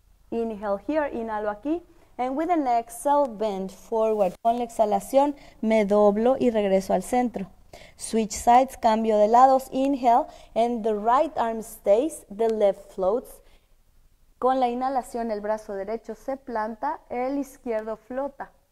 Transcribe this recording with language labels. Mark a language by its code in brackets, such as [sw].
[en] Inhale here, [es] inhalo aquí. [en] And with an exhale, bend forward. [es] Con la exhalación, me doblo y regreso al centro. [en] Switch sides, [es] cambio de lados. [en] Inhale, and the right arm stays, the left floats. [es] Con la inhalación, el brazo derecho se planta, el izquierdo flota.